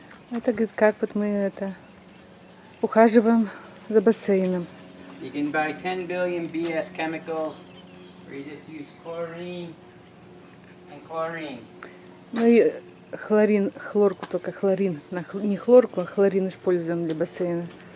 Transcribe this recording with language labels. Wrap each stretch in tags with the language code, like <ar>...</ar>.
<ru>Это, говорит, как вот мы это ухаживаем за бассейном.</ru> <en>You can buy 10 billion BS chemicals, or you just use chlorine and chlorine.</en> <ru>Мы хлорин, хлорку только, хлорин, не хлорку, а хлорин используем для бассейна.</ru>